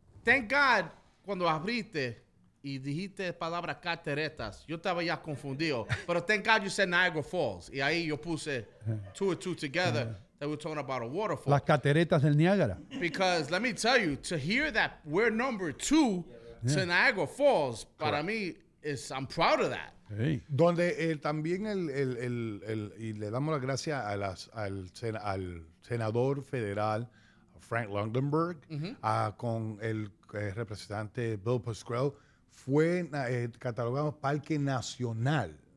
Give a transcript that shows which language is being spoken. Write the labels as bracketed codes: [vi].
[en] Thank God, [es] cuando abriste y dijiste palabra carteretas, yo estaba ya confundido. Pero [en] thank God you said Niagara Falls. [es] Y ahí yo puse [en] two and two together that we're talking about a waterfall. [es] Las carteretas del Niágara. [en] Because let me tell you, to hear that we're number two to Niagara Falls, [es] para mí, [en] I'm proud of that. Hey. [es] Donde también y le damos las gracias al senador federal, Frank Lundenberg, con el representante Bill Pascrell, fue catalogado Parque Nacional.